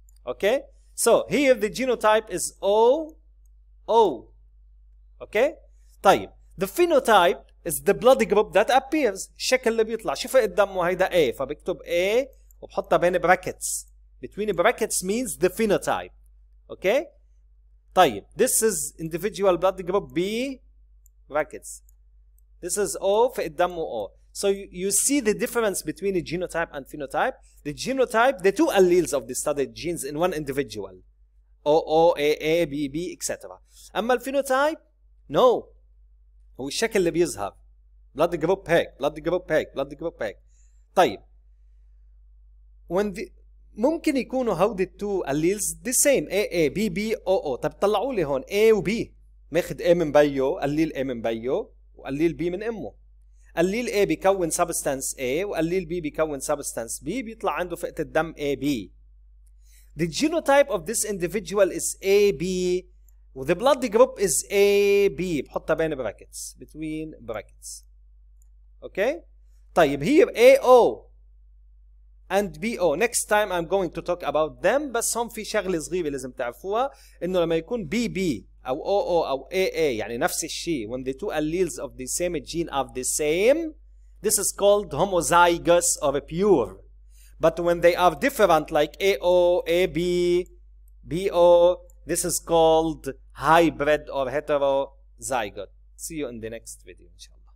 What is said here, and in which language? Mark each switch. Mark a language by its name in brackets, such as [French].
[English] Okay so here the genotype is O O. [Arabic] اوكي طيب [English] the phenotype is the blood group that appears. [Arabic] الشكل اللي بيطلع شوف قدامه هيدا A فبكتب A وبحطها بين brackets. [English] Between brackets means the phenotype. [Arabic] اوكي طيب [English] this is individual blood group B brackets. This is O [Arabic] في قدامه O. [English] So you see the difference between the genotype and phenotype. The genotype the two alleles of the studied genes in one individual O O A A B B etc. [Arabic] اما الفينوتايب No. هو الشكل اللي بيظهر. [English] Blood group هيك. Blood group هيك. Blood group هيك. طيب. When the... [Arabic] ممكن يكونوا هودي التو alleles the same. A, A, B, B, O, O. طيب طلعوا لي هون. A و B. ماخد A من بيو. قليل A من بيو. وقليل B من أمه. قليل A بيكون substance A. وقليل B بيكون substance B. بيطلع عنده فئة الدم A, B. [English] The genotype of this individual is A, B. The blood group is AB. [Arabic] بحطها بين brackets. [English] Between brackets. Okay? طيب here AO and BO. Next time I'm going to talk about them. [Arabic] بس هم في شغلة صغيرة لازم تعرفوها. إنه لما يكون BB أو OO أو AA يعني نفس الشيء. [English] When the two alleles of the same gene are the same. This is called homozygous or pure. But when they are different like AO, AB, BO. This is called hybrid or heterozygote. See you in the next video, inshallah.